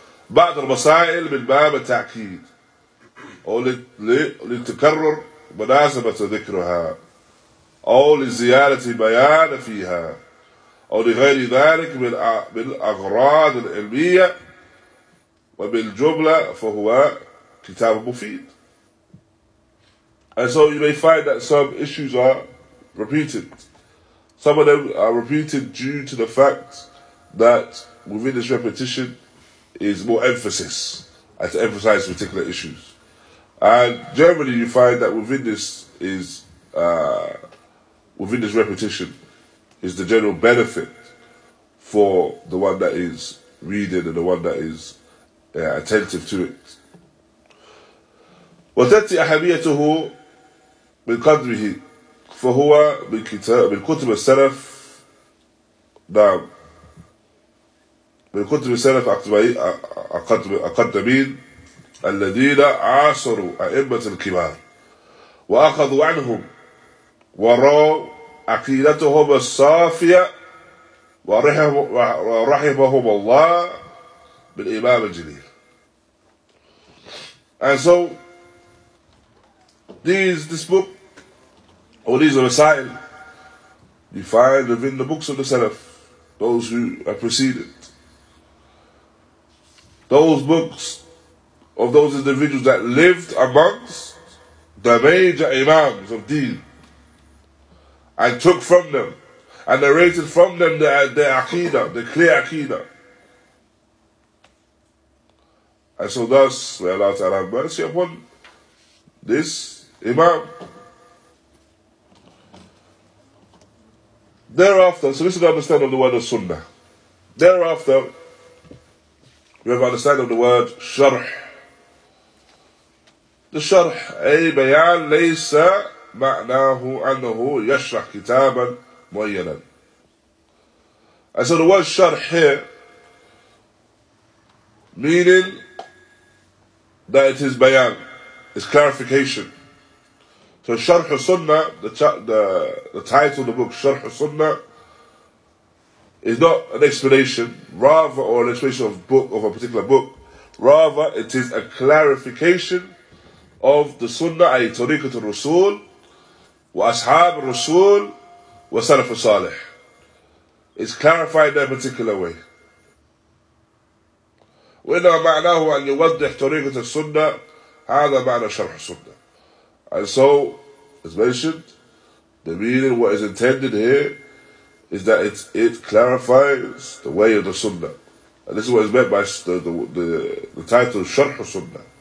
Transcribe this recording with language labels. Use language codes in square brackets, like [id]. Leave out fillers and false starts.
[ar] بعض المسائل من باب التأكيد أو للتكرر مناسبة ذكرها أو لزيادة بيان فيها أو لغير ذلك من الأغراض العلمية وبالجملة فهو كتاب مفيد. [en] And so you may find that some issues are repeated. Some of them are repeated due to the fact that within this repetition is more emphasis, to emphasize particular issues. And generally you find that within this is, within this repetition is the general benefit for the one that is reading and the one that is attentive to it. [ar] وتأتي أهميته من قدره فهو من كتاب من كتب السلف نعم من كتب السلف أقدمين الذين عاصروا أئمة الكبار وأخذوا عنهم وروا عقيدتهم الصافية ورحمهم الله بالإمام الجليل. [en] And so this book, or these are the sign you find within the books of the Salaf, those who have preceded. Those books of those individuals that lived amongst the major Imams of Deen and took from them and narrated from them their Aqeedah, the clear Aqeedah. And so thus, may Allah Ta'ala have mercy upon this Imam. Thereafter, so this is the understanding of the word of Sunnah. Thereafter, we have understanding of the word Sharh. [ar] The Sharh, أي بيان ليس معناه أنه يشرح كتابا معينا. [en] And so the word Sharh here, meaning that it is bayan, it's clarification. So Sharh as-Sunnah, the title of the book, Sharh as-Sunnah, is not an explanation, rather, or an explanation of book of a particular book, rather it is a clarification of the Sunnah, [ar] أي طريقة الرسول وأصحاب الرسول وسلف الصالح. [en] It's clarified in a particular way. [ar] وإنما معناه أن يوضح طريقة السنة هذا معنى شرح السنة. [en] And so, as mentioned, the meaning, what is intended here, is that it clarifies the way of the Sunnah. And this is what is meant by the title Sharh as-Sunnah.